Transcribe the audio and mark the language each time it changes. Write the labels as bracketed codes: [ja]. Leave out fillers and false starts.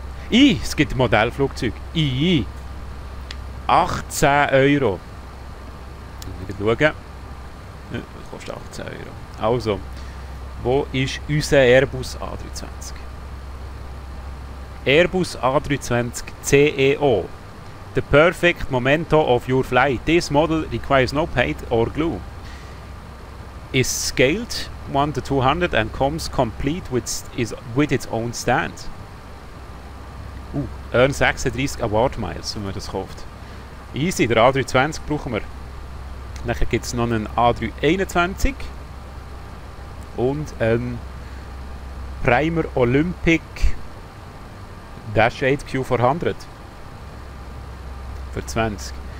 [de] Es gibt ein Modellflugzeug. 18 Euro. Wir schauen. Das kostet 18 Euro. Also, wo ist unser Airbus A320? Airbus A320 CEO. [en] The perfect momento of your flight. This model requires no paint or glue. Is scaled 1-200 and comes complete with its own stand. Earn 36 Award Miles, [de] wenn man das kauft. Easy, der A320 brauchen wir. Nachher gibt es noch einen A321 und einen Primer Olympic Dash 8 Q400 für 20.